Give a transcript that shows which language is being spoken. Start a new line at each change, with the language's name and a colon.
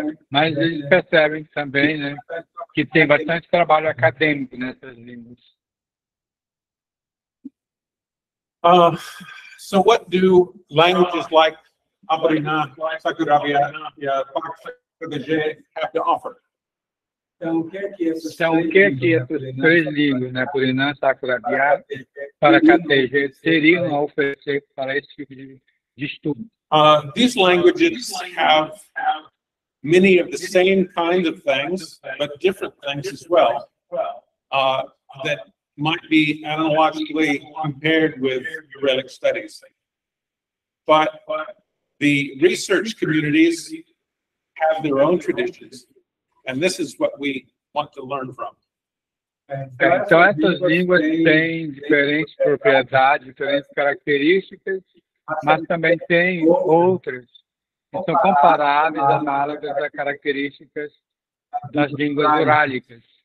Portuguese: Mas eles percebem também, né, que tem bastante trabalho acadêmico nessas línguas.
English: So what do languages like Abrina, Sakurabia, have to offer?
Portuguese: Então, o que é que essas três línguas, né, Abrina, Sakurabia, para KTG, teriam a oferecer para esse tipo de estudo?
English: These languages have many of the same kinds of things, but different things as well, that might be analogically compared with Uralic studies. But the research communities have their own traditions, and this is what we want to learn from.
Portuguese: Então, essas línguas têm diferentes propriedades, diferentes características, mas também tem outras que são comparáveis, análogas a características das línguas urálicas.